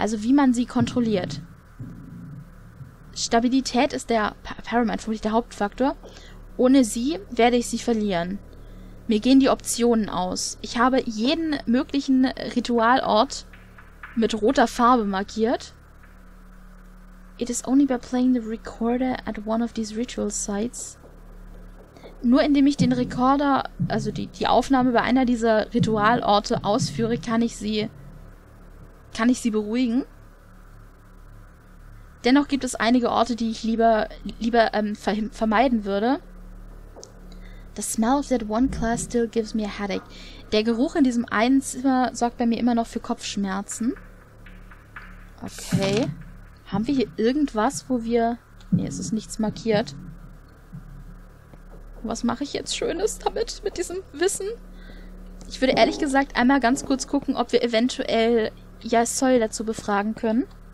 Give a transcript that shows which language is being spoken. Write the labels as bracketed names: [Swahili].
[German] Also wie man sie kontrolliert. Stabilität ist der Paramount, vermutlich der Hauptfaktor. Ohne sie werde ich sie verlieren. Mir gehen die Optionen aus. Ich habe jeden möglichen Ritualort mit roter Farbe markiert. [English] It is only by playing the recorder at one of these ritual sites. [German] Nur indem ich den Rekorder, also die Aufnahme bei einer dieser Ritualorte ausführe, kann ich sie beruhigen. Dennoch gibt es einige Orte, die ich lieber vermeiden würde. [English] The smell of that one class still gives me a headache. [German] Der Geruch in diesem einen Zimmer sorgt bei mir immer noch für Kopfschmerzen. Okay. Haben wir hier irgendwas, wo wir... Nee, es ist nichts markiert. Was mache ich jetzt Schönes damit, mit diesem Wissen? Ich würde ehrlich gesagt einmal ganz kurz gucken, ob wir eventuell Yasol dazu befragen können.